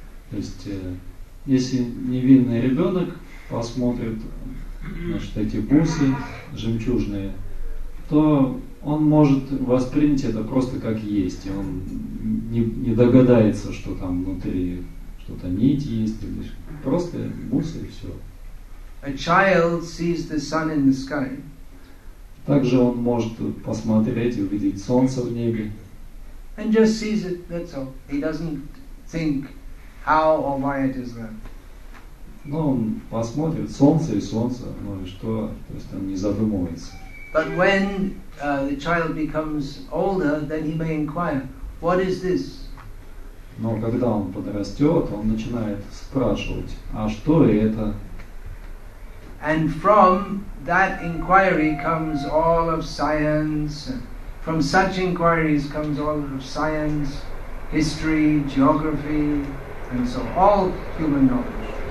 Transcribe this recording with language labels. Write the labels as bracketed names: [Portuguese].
[Russian] То есть, если невинный ребенок посмотрит, значит, эти бусы жемчужные, то он может воспринять это просто как есть, и он не догадается, что там внутри что-то нить есть, или просто бусы и все. [English] A child sees the sun in the sky. [Russian] Также он может посмотреть и увидеть солнце в небе. [English] And just sees it, that's all. He doesn't think how or why it is there. [Russian] Ну, он посмотрит солнце и солнце, ну и что, то есть он не задумывается. [English] But when the child becomes older, then he may inquire, "What is this?" [Russian] Но когда он подрастет, он начинает спрашивать, а что это? [English] And from that inquiry comes all of science. From such inquiries comes all of science, history, geography, and so all human knowledge.